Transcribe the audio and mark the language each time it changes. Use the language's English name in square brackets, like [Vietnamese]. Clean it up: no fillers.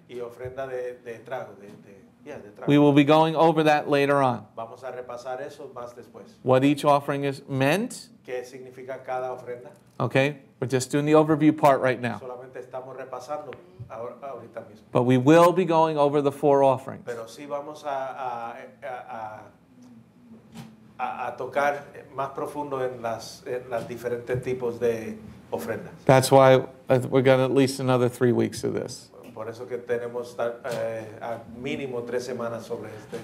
[Spanish] Y ofrenda de trago. De trago. [English] We will be going over that later on. [Spanish] Vamos a repasar eso más después. [English] What each offering is meant. [Spanish] ¿Qué significa cada ofrenda? [English] Okay. We're just doing the overview part right now. [Spanish] Solamente estamos repasando ahorita mismo. [English] But we will be going over the 4 offerings. [Spanish] Pero sí vamos a tocar más profundo en las diferentes tipos de ofrendas. [English] That's why we got at least another 3 weeks of this. [Spanish] Por eso que tenemos a mínimo 3 semanas sobre este.